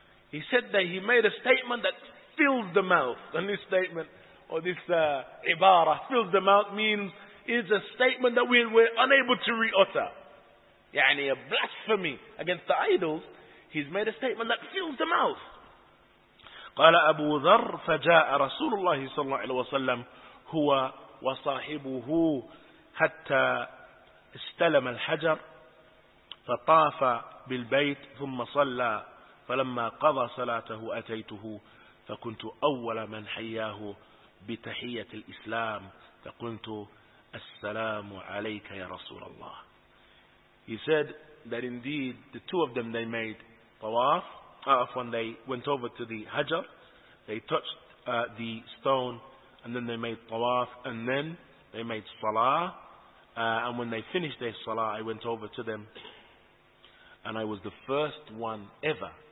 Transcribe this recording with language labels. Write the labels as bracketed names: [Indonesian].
[English] He said that he made a statement that filled the mouth. And this statement, or this ibarah, fills them out, means is a statement that we're unable to re-utter. Yani a blasphemy against the idols. He's made a statement that fills them out. [Arabic] قال أبو ذر فجاء رسول الله صلى الله عليه وسلم هو وصاحبه حتى استلم الحجر فطاف بالبيت ثم صلى فلما قضى صلاته أتيته فكنت أول من حياه بتحية الإسلام فقلت السلام عليك يا رسول الله. [English] He said that indeed the two of them, they made tawaf when they went over to the Hajar, they touched the stone, and then they made tawaf, and then they made salah, and when they finished their salah, I went over to them, and I was the first one ever